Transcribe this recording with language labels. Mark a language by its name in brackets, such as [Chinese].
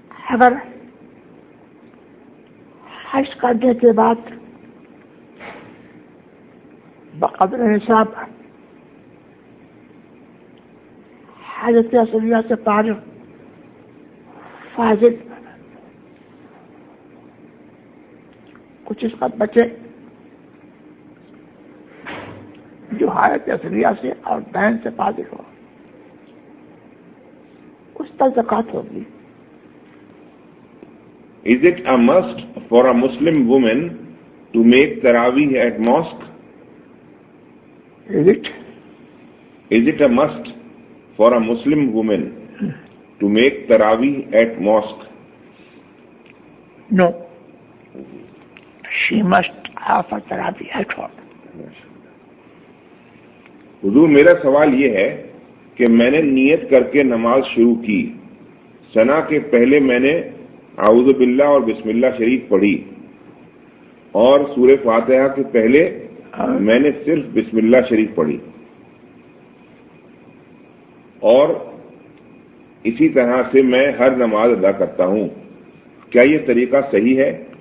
[Hindi] अगर हज करने के बाद बकदर हिसाब हजरत असलिया से पार फाजिल कुछ इस पर बचे जो हजरत असलिया से और बहन से फाजिल हो उस पर ज़कात होगी। [English] Is it a must for a Muslim woman to make Taraweeh at mosque? Is it a must for a Muslim woman to make Taraweeh at mosque? No. She must offer Taraweeh at home. [Hindi] हुज़ूर मेरा सवाल ये है कि मैंने नियत करके नमाज शुरू की, सना के पहले मैंने आउज़ु बिल्लाह और बिस्मिल्ला शरीफ पढ़ी और सूरह फातिहा के पहले मैंने सिर्फ बिस्मिल्ला शरीफ पढ़ी और इसी तरह से मैं हर नमाज अदा करता हूं, क्या यह तरीका सही है?